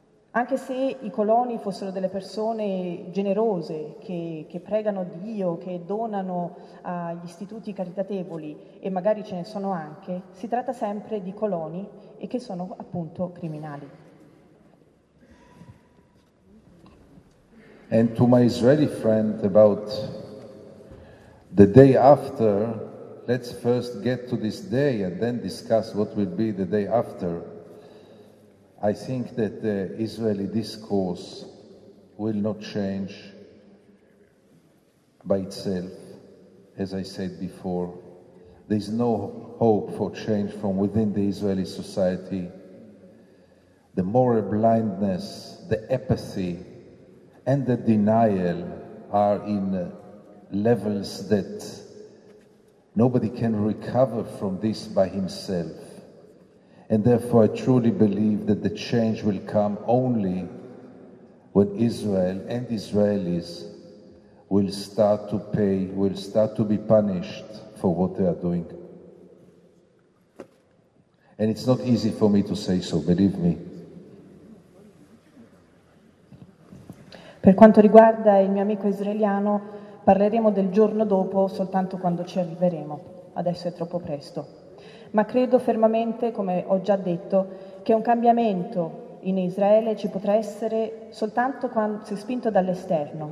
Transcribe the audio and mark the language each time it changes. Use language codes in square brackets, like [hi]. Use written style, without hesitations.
[it] Anche se i coloni fossero delle persone generose che pregano Dio, che donano agli istituti caritatevoli, e magari ce ne sono anche, si tratta sempre di coloni e che sono appunto criminali. [en] And to my Israeli friend about the day after, let's first get to this day and then discuss what will be the day after. I think that the Israeli discourse will not change by itself. As I said before, there is no hope for change from within the Israeli society. The moral blindness, the apathy, and the denial are in levels that Nobody can recover from this by himself. And therefore, I truly believe that the change will come only when Israel and Israelis will start to pay, will start to be punished for what they are doing. And it's not easy for me to say so, believe me. [it] Per quanto riguarda il mio amico israeliano, parleremo del giorno dopo soltanto quando ci arriveremo. Adesso è troppo presto. Ma credo fermamente, come ho già detto, che un cambiamento in Israele ci potrà essere soltanto quando, se spinto dall'esterno.